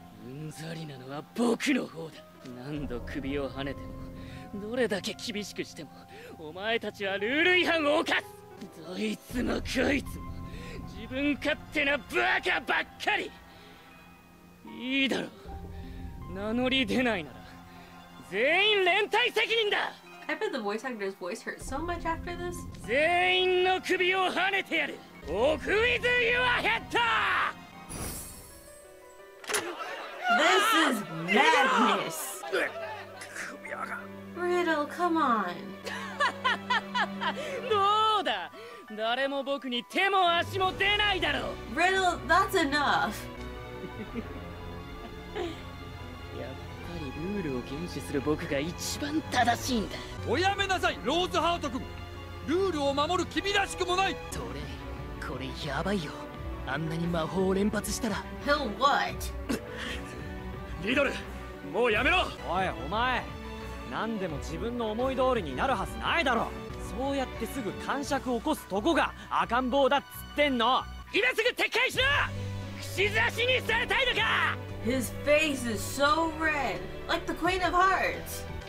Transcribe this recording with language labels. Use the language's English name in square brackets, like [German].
[Japanese] うんざりなのは僕の方だ。何度首を跳ねてもどれだけ厳しくしてもお前たちはルール違反を犯す。どいつもこいつも自分勝手なバカばっかり。いいだろう、名乗り出ないなら全員連帯責任だ。 [English] I bet the voice actor's voice hurt so much after this. [Japanese] 全員の首を跳ねてやる。 [English] Walk with your head! This is madness! Riddle, come on! [Japanese] どうだ？誰も僕に手も足も出ないだろう。 [English] Riddle, that's enough! [Japanese] ルールを厳守する僕が一番正しいんだ。おやめなさい、ローズハート君。ルールを守る君らしくもない。どれ、これやばいよ。あんなに魔法を連発したら。 [English] He'll what? [Japanese] リドル、もうやめろ。おい、お前、何でも自分の思い通りになるはずないだろ。そうやってすぐ癇癪を起こすとこが赤ん坊だっつってんの。今すぐ撤回しろ。串刺しにされたいのか。 [English] His face is so red, like the Queen of Hearts.